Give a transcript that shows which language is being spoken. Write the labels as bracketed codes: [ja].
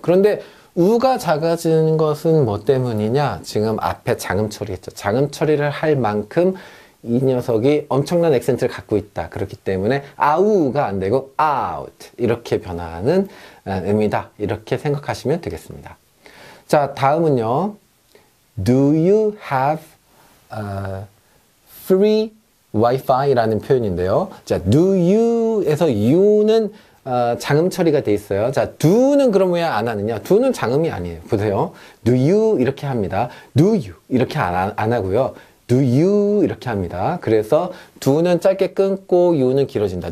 [ko] 그런데 u가 작아지는 것은 뭐 때문이냐? 지금 앞에 장음 처리했죠. 장음 처리를 할 만큼 이 녀석이 엄청난 액센트를 갖고 있다. 그렇기 때문에 아우가 안 되고 out 이렇게 변화하는 의미다. 이렇게 생각하시면 되겠습니다. 자, 다음은요. [en] Do you have free Wi-Fi [ko] 라는 표현인데요. 자, do you에서 you는 장음 처리가 돼 있어요. 자, do는 그럼 왜 안 하느냐? do는 장음이 아니에요. 보세요. Do you 이렇게 합니다. Do you 이렇게 안 하고요. Do you 이렇게 합니다. 그래서 do는 짧게 끊고 you는 길어진다.